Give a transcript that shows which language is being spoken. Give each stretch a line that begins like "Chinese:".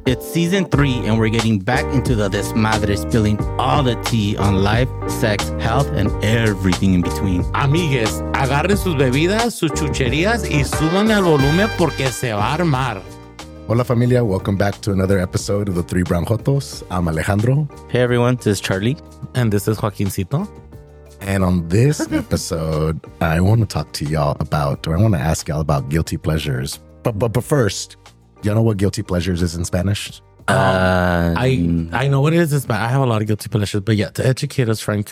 English: It's season three and we're getting back into the desmadre, spilling all the tea on life, sex, health, and everything in between.
Spanish: Amigues, agarren sus bebidas, sus chucherías y suban el volumen porque se va a armar. Hola familia,
English: welcome back to another episode of the Three Brown Jotos. I'm Alejandro. Hey everyone, this is Charlie. And this is Joaquincito. And on this episode, I want to talk to y'all about, or I want to ask y'all about guilty pleasures. But first, y'all know what guilty pleasures is in Spanish? I know what it is in Spanish. I have a lot of guilty pleasures, but yeah, to educate us, Frank.